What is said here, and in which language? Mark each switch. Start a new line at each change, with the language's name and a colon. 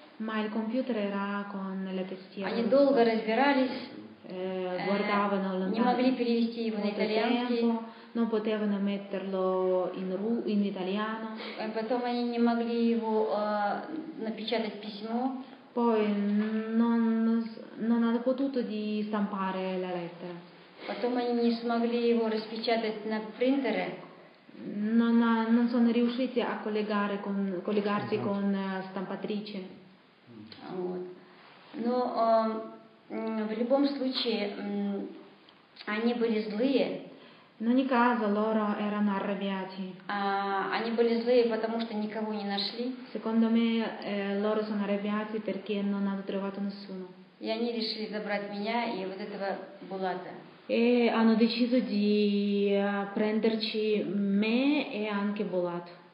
Italian: ma il computer era con la tastiera.
Russian: Они долго разбирались,
Italian: guardavano lontano.
Russian: Не могли перевести его на итальянский.
Italian: Non potevano metterlo in italiano.
Russian: E потом они не могли его напечатать письмо.
Italian: Poi non hanno potuto di stampare la lettera.
Russian: Потом они не смогли его распечатать на принтере.
Italian: Non sono riusciti a collegarsi mm-hmm. con stampatrice.
Russian: Mm-hmm. Вот. Но в любом случае они были злые.
Italian: In ogni caso loro erano arrabbiati.
Russian: Они были злые, потому что никого не нашли.
Italian: Secondo me loro sono arrabbiati perché non hanno trovato nessuno.
Russian: И они решили забрать меня и вот этого Булата.
Italian: E hanno deciso di prenderci me e anche Булат.